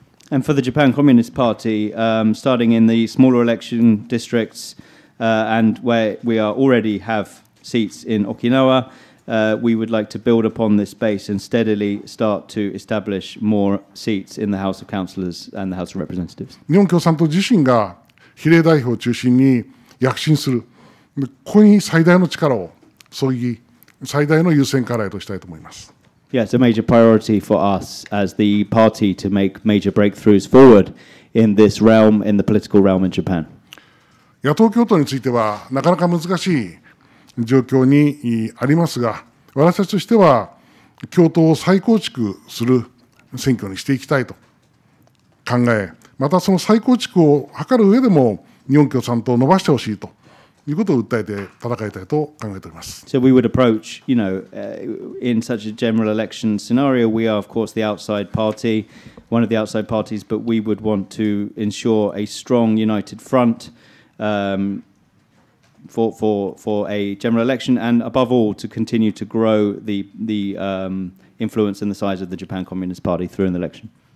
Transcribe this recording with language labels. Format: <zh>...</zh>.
<en>And for the Japan Communist Party, starting in the smaller election districts,and where we are already have seats in Okinawa, we would like to build upon this base and steadily start to establish more seats in the House of Councillors and the House of Representatives.</en> <ja>日本共産党自身が比例代表を中心に躍進する、ここに最大の力を注ぎ、最大の優先課題としたいと思います。</ja> <en>Yeah, it's a major priority for us as the party to make major breakthroughs forward in this realm, in the political realm in Japan.</en> <ja>野党共闘についてはなかなか難しい状況にありますが、私たちとしては共闘を再構築する選挙にしていきたいと考え、またその再構築を図る上でも日本共産党を伸ばしてほしいということを訴えて戦いたいと考えております。</ja> <en>So we would approach, you know, in such a general election scenario, we are of course the outside party, one of the outside parties, but we would want to ensure a strong united front. For a general election and above all to continue to grow the influence and the size of the Japan Communist Party through an election.</en>